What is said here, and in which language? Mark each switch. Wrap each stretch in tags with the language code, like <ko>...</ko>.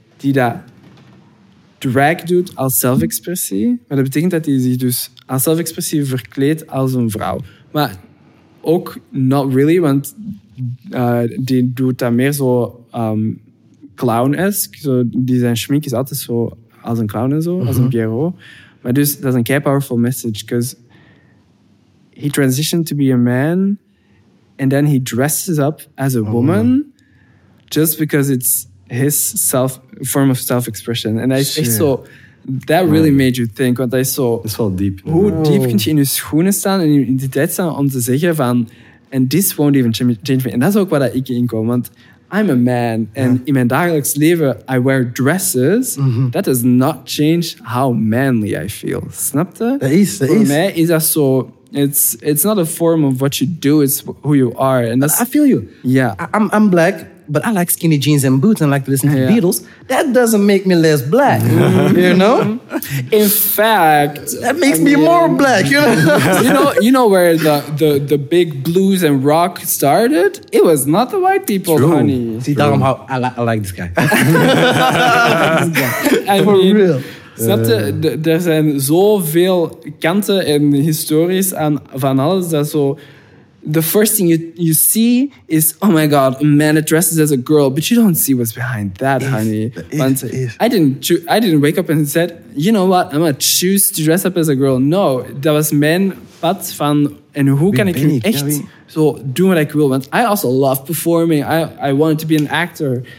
<nl>die dat drag doet als zelfexpressie. Maar dat betekent dat hij zich dus als zelfexpressie verkleedt als een vrouw. Maar ook</nl> <en>not really,</en> <nl>want die doet dat meer zo clown-esque. Zo, die zijn schmink is altijd zo als een clown en zo, als een Pierrot. Maar dus dat is een kei</nl> <en>powerful message, because he transitioned to be a man and then he dresses up as a woman just because it's his self form of self-expression. And I think so that really made you think, want I saw it's all deep.</en> <nl>Hoe diep kun je in je schoenen staan en in de tijd staan om te zeggen van</nl> <en>and this won't even change me.</en> <nl>En dat is ook waar ik in kom. Want</nl> <en>I'm a man and</en> <nl>in mijn dagelijks leven</nl> <en>I wear dresses. Mm-hmm. That does not change how manly I feel.</en> <nl>Snap je? Voor mij is dat zo.</nl> <en>It's not a form of what you do, it's who you are. And I feel you. Yeah. I'm black, but I like skinny jeans and boots and like to listen to Beatles. That doesn't make me less black, you know? In fact... That makes me more black, you know? you know where the big blues and rock started? It was not the white people, true. Honey. See, tell them how I like this guy. For real.</en> <nl>Snap je? Er zijn zoveel kanten en histories aan van alles dat zo...</nl> <en>The first thing you see is, oh my god, a man that dresses as a girl. But you don't see what's behind that, honey. I didn't wake up and said, you know what, I'm gonna choose to dress up as a girl.</en> <nl>No, dat was mijn pad van, en hoe kan ik nu echt zo doen wat ik wil?</nl> <en>Want I also love performing. I wanted to be an actor.</en>